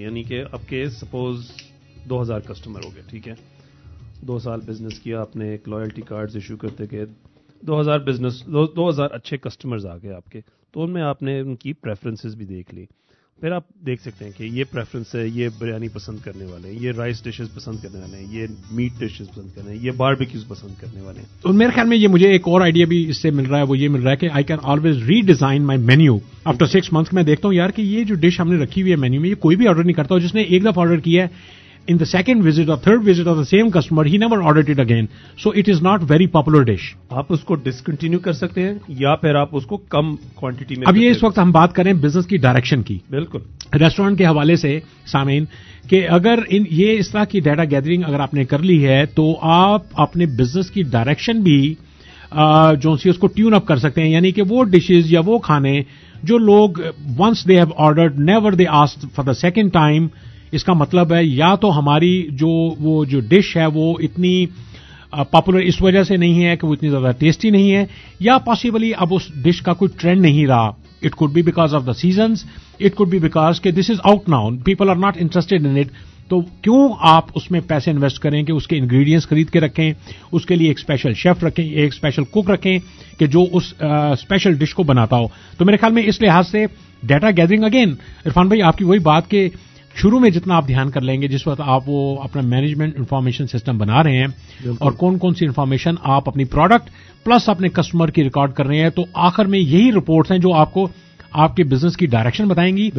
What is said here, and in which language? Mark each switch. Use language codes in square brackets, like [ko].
[ur] یعنی کہ آپ کے سپوز 2000 کسٹمر ہو گئے, ٹھیک ہے, دو سال بزنس کیا آپ نے, ایک لائلٹی کارڈ ایشو کرتے گئے, 2000 بزنس, 2000 اچھے کسٹمرز آ گئے آپ کے, تو ان میں آپ نے ان کی پریفرنسز بھی دیکھ لی, پھر آپ دیکھ سکتے ہیں کہ یہ پریفرنس ہے, یہ بریانی پسند کرنے والے ہیں, یہ رائس ڈشز پسند کرنے والے ہیں, یہ میٹ ڈشز پسند کرنے ہیں, یہ باربیکیوز پسند کرنے والے ہیں. تو میرے خیال میں یہ مجھے ایک اور آئیڈیا بھی اس سے مل رہا ہے, وہ یہ مل رہا ہے کہ [en] I can always redesign my menu after 6 months. [ur] میں دیکھتا ہوں یار کہ یہ جو ڈش ہم نے رکھی ہوئی ہے مینیو میں, یہ کوئی بھی آرڈر نہیں کرتا, جس نے ایک دفعہ آرڈر کیا ہے [en] in the second visit or third visit of the same customer, he never ordered it again. So it is not very popular dish. [ur] آپ اس کو discontinue کر سکتے ہیں یا پھر آپ اس کو کم quantity میں. اب یہ اس وقت ہم بات کریں business کی direction کی. بالکل. Restaurant کے حوالے سے سامعین کہ اگر یہ اس طرح کی ڈیٹا گیدرنگ اگر آپ نے کر لی ہے تو آپ اپنے بزنس کی ڈائریکشن بھی جو سی اس کو ٹیون اپ کر سکتے ہیں, یعنی کہ وہ ڈشز یا وہ کھانے جو لوگ [en] Once they have ordered never they ask for the second time. [ur] اس کا مطلب ہے یا تو ہماری جو وہ جو ڈش ہے وہ اتنی پاپولر اس وجہ سے نہیں ہے کہ وہ اتنی زیادہ ٹیسٹی نہیں ہے, یا پاسبلی اب اس ڈش کا کوئی ٹرینڈ نہیں رہا. [en] It could be because of the seasons. It could be because کہ this is out now. People are not interested in it. [ur] تو کیوں آپ اس میں پیسے انویسٹ کریں کہ اس کے انگریڈینٹس خرید کے رکھیں, اس کے لیے ایک اسپیشل شیف رکھیں, ایک اسپیشل کک رکھیں کہ جو اس اسپیشل ڈش کو بناتا ہو. تو میرے خیال میں اس لحاظ سے ڈیٹا گیدرنگ, اگین عرفان بھائی آپ کی وہی بات کہ شروع میں جتنا آپ دھیان کر لیں گے, جس وقت آپ وہ اپنا مینجمنٹ انفارمیشن سسٹم بنا رہے ہیں اور کون کون سی انفارمیشن آپ اپنی پروڈکٹ پلس اپنے کسٹمر کی ریکارڈ کر رہے ہیں, تو آخر میں یہی رپورٹس ہیں جو آپ کو آپ کے بزنس کی ڈائریکشن بتائیں گی.